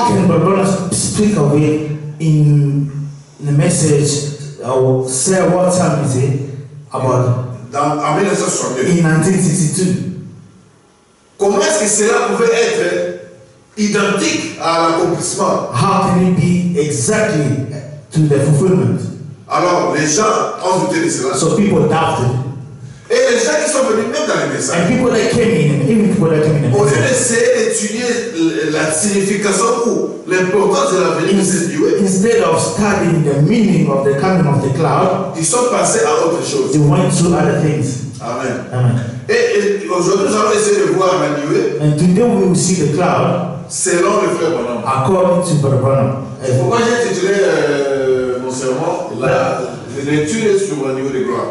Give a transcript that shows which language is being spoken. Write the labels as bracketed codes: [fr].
[en] How can Brother Branham speak of it in the message or say what time is it about [fr] dans, en 1962? [en] In 1962. [fr] Comment est-ce que cela pouvait être identique à l'accomplissement? [en] How can it be exactly to the fulfillment? [fr] Alors, les gens ont douté de cela. [en] So people doubted. [fr] Et les gens qui sont venus même dans les messages. [en] And people that came in, even people that came in. [fr] Au lieu d'essayer d'étudier la signification ou l'importance de la venue de cette nuée, [en] instead of studying the meaning of the coming of the cloud, [fr] ils sont passés à autre chose. [en] They went to other things. [fr] Amen. [en] Amen. [fr] Et aujourd'hui, nous allons essayer de voir la nuée. [en] And today we will see the cloud. [fr] Selon le frère Branham. [en] According to Brother Branham. [fr] Et pourquoi j'ai titré mon sermon la lecture sur la nuée de gloire.